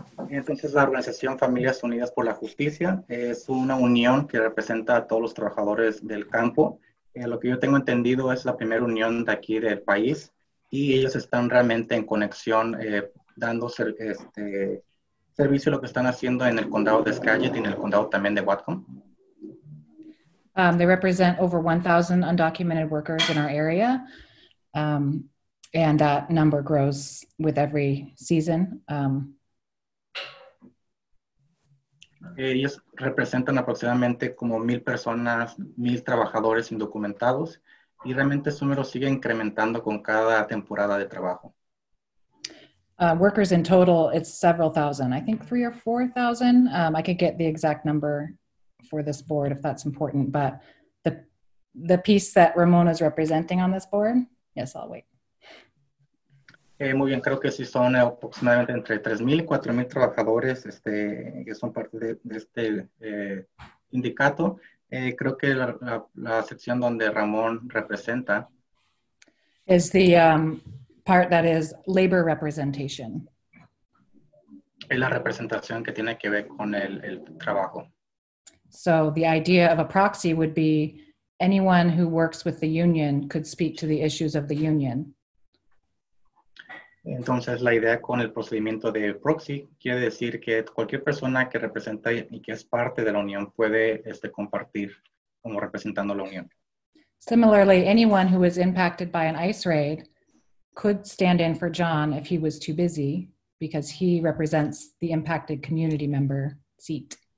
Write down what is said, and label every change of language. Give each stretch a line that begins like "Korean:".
Spanish: Entonces, la organización Familias Unidas por la Justicia es una unión que representa a todos los trabajadores del campo. Lo que yo tengo entendido es la primera unión de aquí del país y ellos están realmente en conexión dando servicio a lo que están haciendo en el condado de Skagit y en el condado también de Whatcom.
English: They represent over 1,000 undocumented workers in our area, and that number grows with every season.
Spanish: Ellos representan aproximadamente como 1,000 personas, 1,000 trabajadores indocumentados, y realmente su número sigue incrementando con cada temporada de trabajo.
English: Workers in total, it's several thousand. I think 3,000 or 4,000. I could get the exact number for this board if that's important, but the piece that Ramona is representing on this board, yes, I'll wait.
Spanish: Muy bien, creo que sí son aproximadamente entre 3,000 y 4,000 trabajadores que son parte de este sindicato. Creo que la sección donde Ramón representa
English: es the part that is labor representation.
Spanish: Es la representación que tiene que ver con el trabajo.
English: So the idea of a proxy would be anyone who works with the union could speak to the issues of the union.
Spanish: Entonces, la idea con el procedimiento de proxy quiere decir que cualquier persona que representa y que es parte de la unión puede compartir como representando la unión.
English: Similarly, anyone who was impacted by an ICE raid could stand in for John if he was too busy because he represents the impacted community member seat.